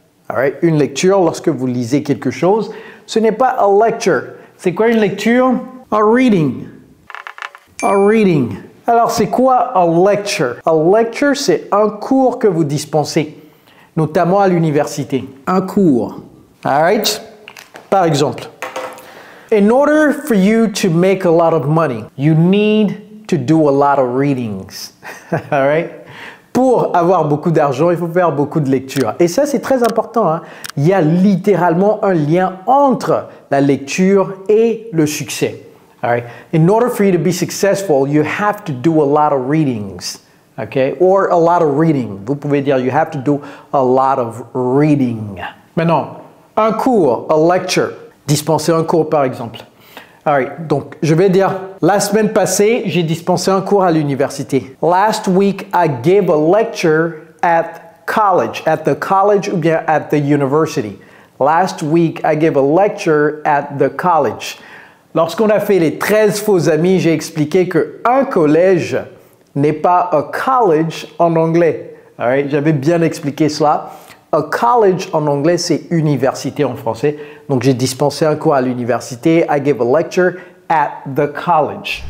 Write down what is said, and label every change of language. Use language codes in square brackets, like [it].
[en] All right, [fr] une lecture, lorsque vous lisez quelque chose, ce n'est pas a lecture. C'est quoi une lecture? [en] A reading. A reading. [fr] Alors, c'est quoi a lecture? A lecture, c'est un cours que vous dispensez, notamment à l'université. Un cours. [en] All right. [fr] Par exemple, [en] in order for you to make a lot of money, you need to do a lot of readings. All right. [fr] Pour avoir beaucoup d'argent, il faut faire beaucoup de lectures. Et ça, c'est très important. Hein? Il y a littéralement un lien entre la lecture et le succès. [en] All right. In order for you to be successful, you have to do a lot of readings. Okay. Or a lot of reading. [fr] Vous pouvez dire, [en] you have to do a lot of reading. [fr] Maintenant, un cours, a lecture. Dispenser un cours, par exemple. [en] All right, [fr] donc, je vais dire, la semaine passée, j'ai dispensé un cours à l'université. [en] Last week, I gave a lecture at college, at the college [fr] ou bien [en] at the university. Last week, I gave a lecture at the college. [fr] Lorsqu'on a fait les 13 faux amis, j'ai expliqué que un collège n'est pas a college en anglais. [en] All right, [fr] j'avais bien expliqué cela. A college en anglais, c'est université en français. Donc, j'ai dispensé un cours à l'université. [en] I gave a lecture at the college.